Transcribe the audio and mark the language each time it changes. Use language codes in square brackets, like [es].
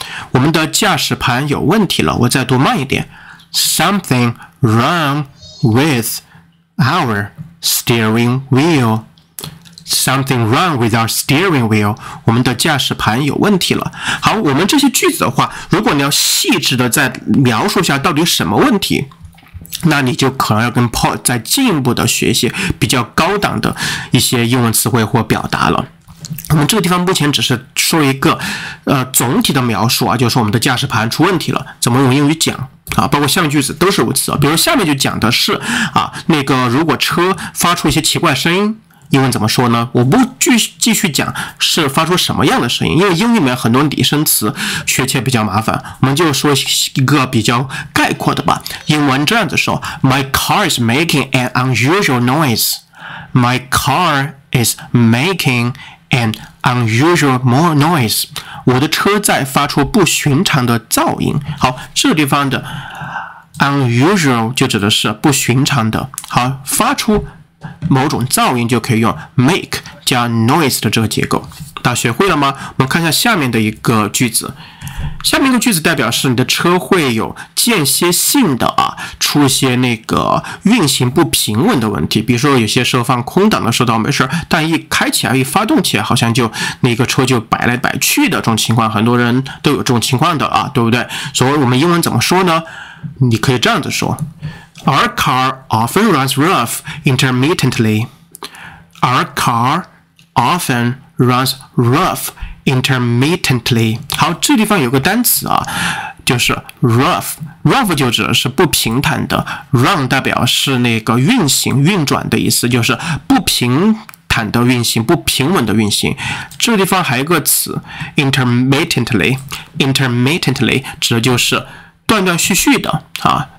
[zh] 我们的驾驶盘有问题了，我再读慢一点 [en] Something wrong with our steering wheelSomething wrong with our steering wheel. [zh] 我们的驾驶盘有问题了。好，我们这些句子的话，如果你要细致的再描述一下到底什么问题，那你就可能要跟 Paul 再进一步的学习比较高档的一些英文词汇或表达了。我们这个地方目前只是说一个总体的描述啊，就是我们的驾驶盘出问题了，怎么用英语讲啊，包括下面句子都是如此啊。比如下面就讲的是啊，那个如果车发出一些奇怪声音，英文怎么说呢？我不继续讲是发出什么样的声音，因为英语里面很多拟声词学起来比较麻烦，我们就说一个比较概括的吧。英文这样子说 [en] My car is making an unusual noise. My car is making an unusual noise. [zh] 我的车在发出不寻常的噪音。好，这地方的 unusual 就指的是不寻常的。好，发出某种噪音就可以用 make 加 noise 的这个结构。大家学会了吗？我们看一下下面的一个句子。下面一个句子代表是你的车会有间歇性的啊，出一些那个运行不平稳的问题。比如说有些时候放空档的时候倒没事，但一开起来一发动起来好像就那个车就摆来摆去的这种情况，很多人都有这种情况的啊，对不对？所以我们英文怎么说呢？你可以这样子说， [en] Our car often runs rough intermittently. Our car often runs rough intermittently. [zh] 好，这地方有个单词啊，就是 rough. Rough 就指的是不平坦的， run 代表是那个运行、运转的意思，就是不平坦的运行、不平稳的运行。这地方还有一个词 intermittently. Intermittently 指的就是断断续续的啊。